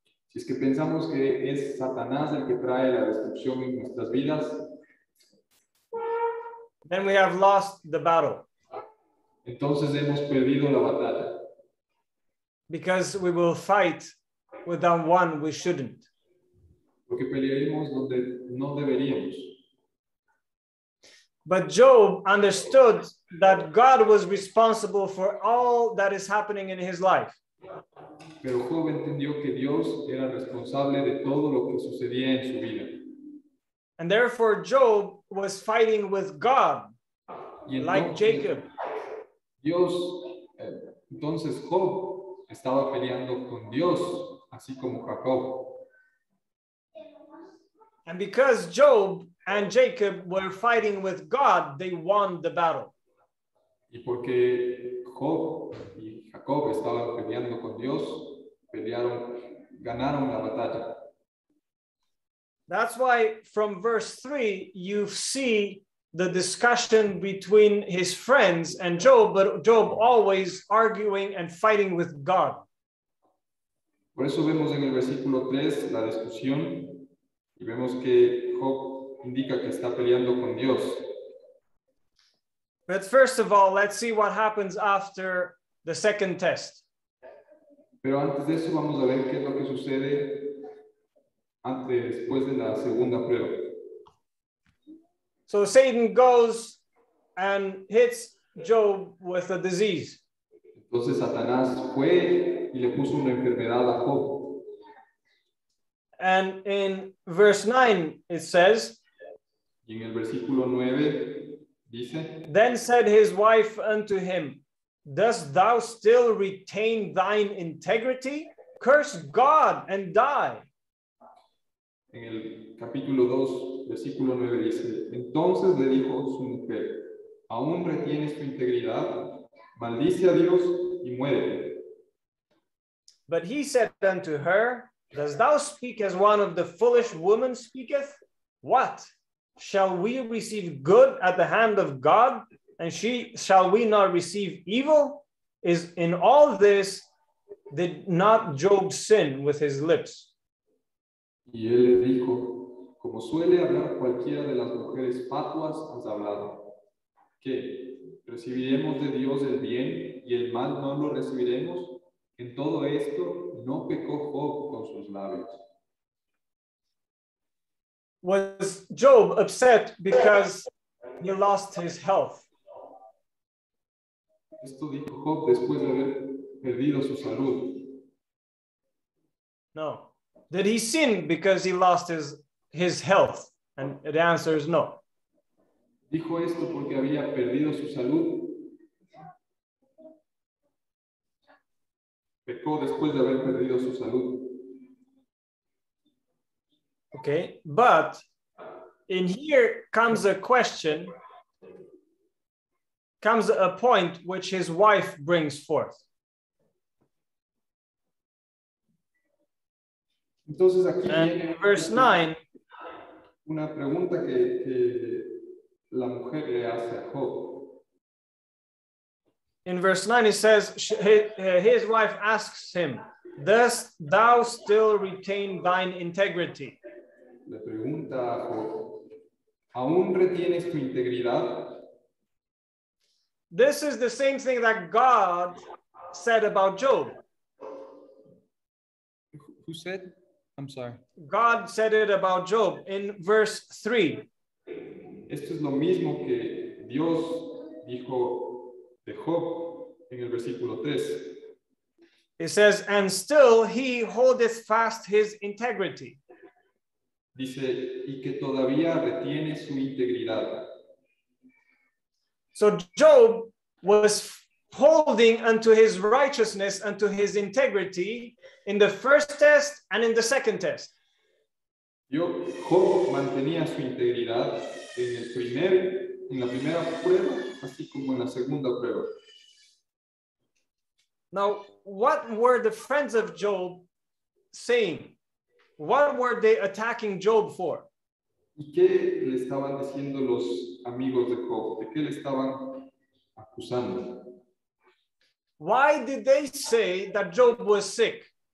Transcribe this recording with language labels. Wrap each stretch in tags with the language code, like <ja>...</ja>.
<es>si es que pensamos que es Satanás el que trae la destrucción en nuestras vidas,</es> <en>then we have lost the battle.</en> <es>Entonces hemos perdido la batalla.</es> <en>Because we will fight with the one we shouldn't.</en> <es>Porque pelearemos donde no deberíamos.</es> <en>But Job understood that God was responsible for all that is happening in his life.</en> <es>Pero Job entendió que Dios era responsable de todo lo que sucedía en su vida.</es> <en>And therefore Job was fighting with God, like Jacob.</en> <es>Dios, entonces Job estaba peleando con Dios, así como Jacob.</es> <en>And because Job and Jacob were fighting with God, they won the battle.</en> <es>Y porque Job y Jacob estaban peleando con Dios, pelearon, ganaron la batalla.</es> <en>That's why from verse 3, you see the discussion between his friends and Job, but Job always arguing and fighting with God.</en> <es>Por eso vemos en el versículo 3 la discusión y vemos que Job indica que está peleando con Dios.</es> <en>But first of all, let's see what happens after the second test.</en> <es>Pero antes de eso vamos a ver qué es lo que sucede antes, después de la segunda prueba.</es> <en>So Satan goes and hits Job with a disease.</en> <es>Entonces Satanás fue y le puso una enfermedad a Job.</es> <en>And in verse 9 it says,</en> <es>y en el versículo 9 dice,</es> <en>then said his wife unto him, dost thou still retain thine integrity? Curse God and die.</en> <es>En el capítulo 2, versículo 9 dice, entonces le dijo su mujer, ¿aún retienes tu integridad? Maldice a Dios y muere.</es> <en>But he said unto her, dost thou speak as one of the foolish women speaketh? What? Shall we receive good at the hand of God? And she, shall we not receive evil? Is in all this, did not Job sin with his lips?</en> <es>Y él le dijo, como suele hablar cualquiera de las mujeres fatuas has hablado, que recibiremos de Dios el bien y el mal no lo recibiremos. En todo esto no pecó Job con sus labios.</es> <en>Was Job upset because he lost his health?</en> <es>Esto dijo Job después de haber perdido su salud.</es> <en>No. Did he sin because he lost his health? And the answer is no.</en> <es>Dijo esto porque había perdido su salud. Pecó después de haber perdido su salud.</es> <en>Okay, but in here comes a question, comes a point which his wife brings forth.</en> <es>Entonces aquí</es> <en>and</en> <es>viene</es> <en>verse 9,</en> <es>una pregunta que la mujer le hace a Job.</es> <en>In verse 9 it says, his wife asks him, dost thou still retain thine integrity?</en> <es>Le pregunta a Job, ¿aún retienes tu integridad?</es> <en>This is the same thing that God said about Job. Who said? I'm sorry. God said it about Job in verse 3.</en> <es>Esto es lo mismo que Dios dijo de Job en el versículo 3.</es> <en>It says, and still he holdeth fast his integrity.</en> <es>Dice, y que todavía retiene su integridad.</es> <en>So Job was holding unto his righteousness, unto his integrity in the first test and in the second test.</en> <es>Job mantenía su integridad en el primer, en la primera prueba, así como en la segunda prueba.</es> <en>Now, what were the friends of Job saying? What were they attacking Job for?</en> <es>¿Y qué le estaban diciendo los amigos de Job? ¿De qué le estaban acusando?</es> <en>Why did they say that Job was sick?</en>